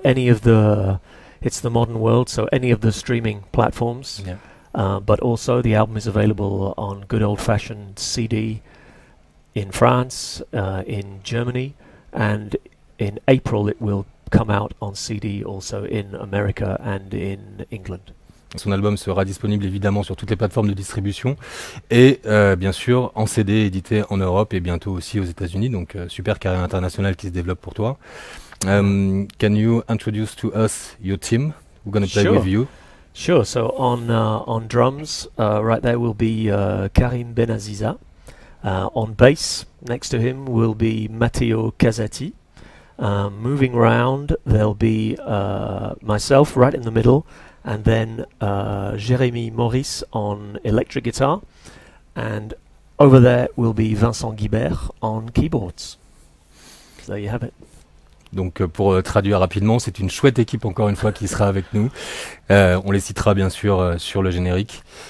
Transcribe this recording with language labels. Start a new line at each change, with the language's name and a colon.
English: Any of the it's the modern world, so any of the streaming platforms, Yeah. but also the album is available on good old-fashioned CD in France, in Germany, and in April it will come out on CD also in America and in England.
French: Son album sera disponible évidemment sur toutes les plateformes de distribution et bien sûr en CD édité en Europe et bientôt aussi aux États-Unis. Donc super carrière internationale qui se développe pour toi.
English: Yeah. Can you introduce to us your team? We're going to play with Sure. you. Sure. So on drums, right there will be Karim Benaziza. On bass, next to him will be Matteo Casati. Moving around, there'll be myself right in the middle, and then Jérémy Maurice on electric guitar. And over there will be Vincent Guibert on keyboards. So there you have it.
French: Donc, pour traduire rapidement, c'est une chouette équipe encore une fois qui sera avec nous. On les citera bien sûr sur le générique.